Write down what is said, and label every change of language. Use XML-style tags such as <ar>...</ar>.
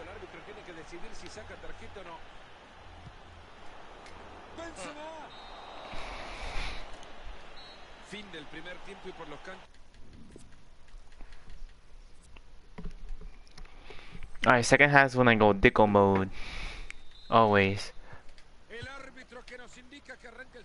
<es>El árbitro tiene que decidir si saca tarjeta o no. Benzema. Fin del primer tiempo y por los cantos.</es> <en>Alright, second half is when I go Dicko mode. Always.</en> <es>El árbitro que nos indica que arranca el</es>